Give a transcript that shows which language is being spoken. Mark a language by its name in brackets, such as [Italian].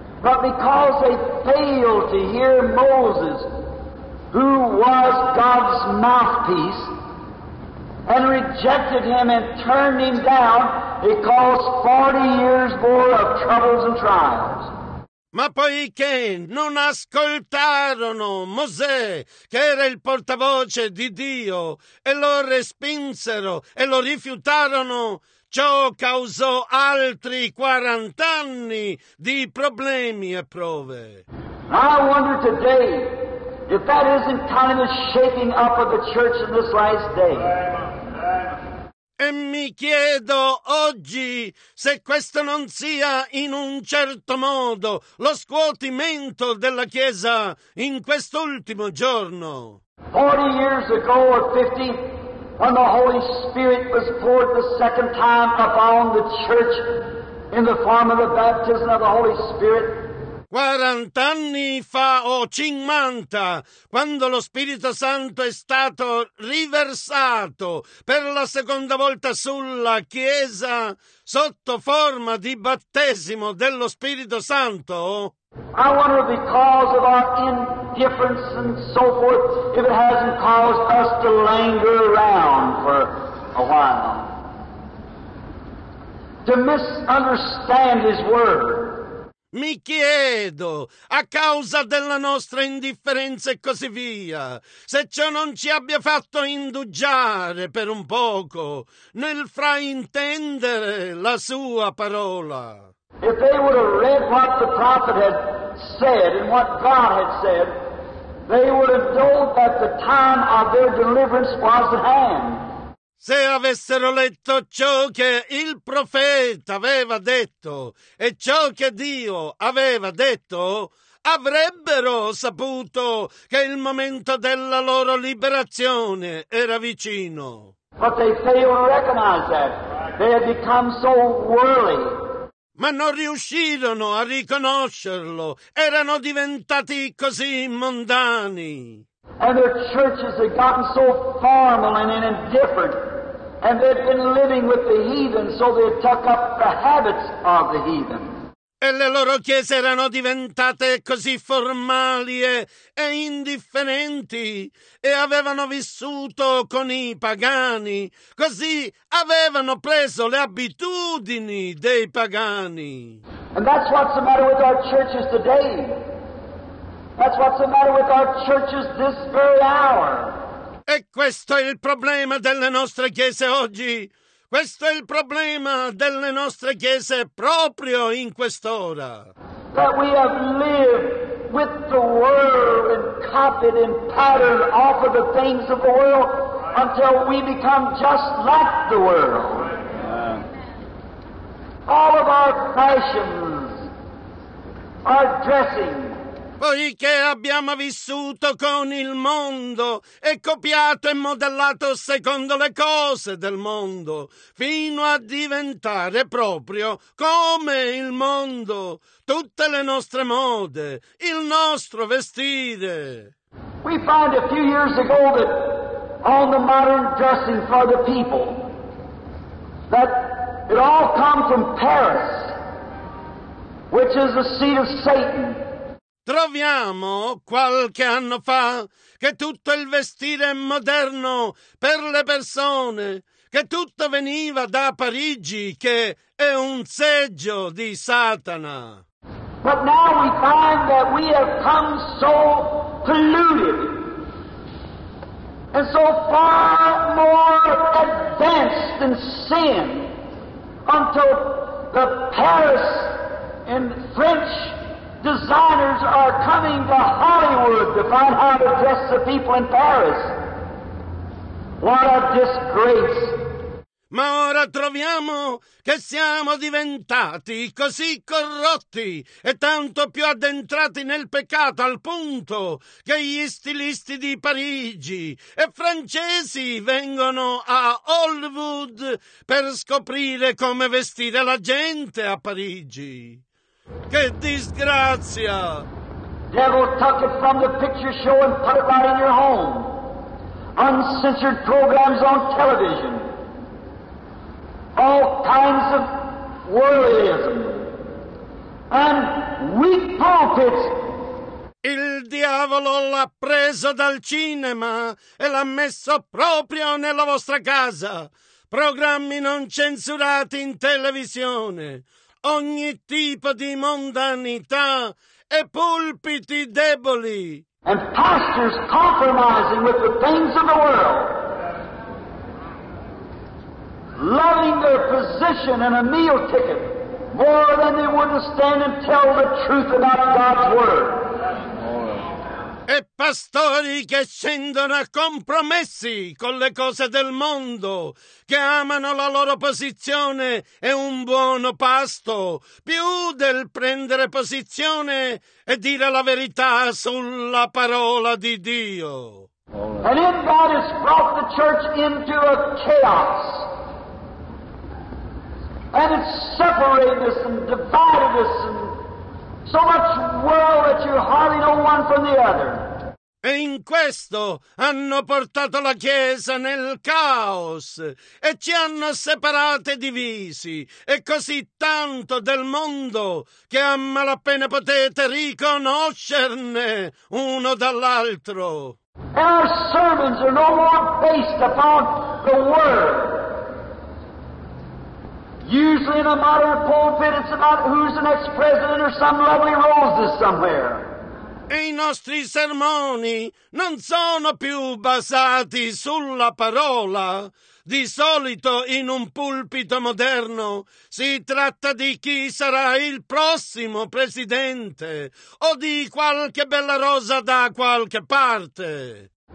[English] But because they failed to hear Moses, who was God's mouthpiece, and rejected him and turned him down, it caused 40 years more of troubles and trials. [Italian] Ma poiché non ascoltarono Mosè, che era il portavoce di Dio, e lo respinsero e lo rifiutarono, ciò causò altri 40 anni di problemi e prove. [English] I wonder today if that isn't kind of a shaking up of the church in this last day. [Italian] E mi chiedo oggi se questo non sia in un certo modo lo scuotimento della Chiesa in quest'ultimo giorno. [English] 40 years ago or 50, when the Holy Spirit was poured the second time upon the church in the form of the baptism of the Holy Spirit. [Italian] 40 anni fa o 50, quando lo Spirito Santo è stato riversato per la seconda volta sulla Chiesa sotto forma di battesimo dello Spirito Santo. [English] I wonder because of our indifference and so forth if it hasn't caused us to linger around for a while. To misunderstand His Word. [Italian] Mi chiedo, a causa della nostra indifferenza e così via, se ciò non ci abbia fatto indugiare per un poco nel fraintendere la sua parola. [English] If they would have read what the prophet had said and what God had said, they would have known that the time of their deliverance was at hand. [Italian] Se avessero letto ciò che il profeta aveva detto e ciò che Dio aveva detto, avrebbero saputo che il momento della loro liberazione era vicino. [English] But they failed to recognize that. They had become so worldly. [Italian] Ma non riuscirono a riconoscerlo. Erano diventati così mondani. [English] And their churches had gotten so formal and indifferent. And they've been living with the heathen, so they took up the habits of the heathen. [Italian] E le loro chiese erano diventate così formali e indifferenti, e avevano vissuto con i pagani, così avevano preso le abitudini dei pagani. [English] And that's what's the matter with our churches today. That's what's the matter with our churches this very hour. [Italian] E questo è il problema delle nostre chiese oggi. Questo è il problema delle nostre chiese proprio in quest'ora. [English] That we have lived with the world and copied and patterned off of the things of the world until we become just like the world. All of our fashions, our dressing. [Italian] Poiché abbiamo vissuto con il mondo e copiato e modellato secondo le cose del mondo, fino a diventare proprio come il mondo, tutte le nostre mode, il nostro vestire. [English] We found a few years ago that on the modern dressing for the people, that it all come from Paris, which is the seat of Satan. [Italian] Troviamo qualche anno fa che tutto il vestire moderno per le persone, che tutto veniva da Parigi, che è un seggio di Satana. [English] But now we find that we have come so polluted and so far more advanced than sin until the Paris and French designers are coming to Hollywood to find how to dress the people in Paris. What a disgrace. [Italian] ma ora troviamo che siamo diventati così corrotti e tanto più addentrati nel peccato, al punto che gli stilisti di Parigi e francesi vengono a Hollywood per scoprire come vestire la gente a Parigi. Che disgrazia! [English] Devil took it from the picture show and put it right in your home. Uncensored programs on television. All kinds of worldliness. And weak pulpits. [Italian] Il diavolo l'ha preso dal cinema e l'ha messo proprio nella vostra casa. Programmi non censurati in televisione. Ogni tipo di mondanità e pulpiti deboli. [English] And pastors compromising with the things of the world. Loving their position and a meal ticket more than they would stand and tell the truth about God's word. [Italian] E pastori che scendono a compromessi con le cose del mondo, che amano la loro posizione e un buono pasto, più del prendere posizione e dire la verità sulla parola di Dio. [English] And in that has brought the church into a chaos. And it's separated us and divided us and so much world that you hardly know one from the other. [Italian] E in questo hanno portato la Chiesa nel caos e ci hanno separati e divisi, e così tanto del mondo che a malapena potete riconoscerne uno dall'altro. [English] Our sermons are no more based upon the word. Usually in a modern pulpit it's about who's the next president or some lovely roses somewhere. [Italian] E i nostri sermoni non sono più basati sulla parola. Di solito in un pulpito moderno si tratta di chi sarà il prossimo presidente o di qualche bella rosa da qualche parte.